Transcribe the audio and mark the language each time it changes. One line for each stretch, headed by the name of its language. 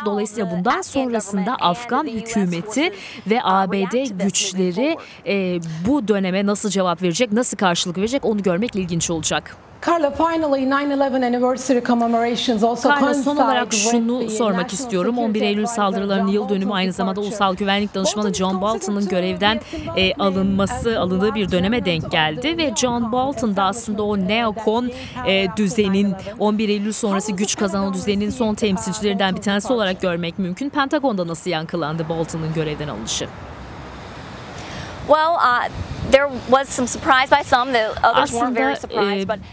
Turkish: Dolayısıyla bundan sonrasında Afgan hükümeti ve ABD güçleri bu döneme nasıl cevap verecek, nasıl karşılık verecek, onu görmek ilginç olacak.
English: Carla, finally 9/11 anniversary commemorations also coincide.
Turkish: Carla, son olarak şunu sormak istiyorum. 11 Eylül saldırılarının yıl dönümü aynı zamanda Ulusal Güvenlik Danışmanı John Bolton'un görevden alındığı bir döneme denk geldi ve John Bolton da aslında o neokon düzenin, 11 Eylül sonrası güç kazanan düzenin son temsilcilerinden bir tanesi olarak görmek mümkün. Pentagon'da nasıl yankılandı Bolton'un görevden alınışı?
English: Well, There was some surprise by some, the others weren't very surprised, but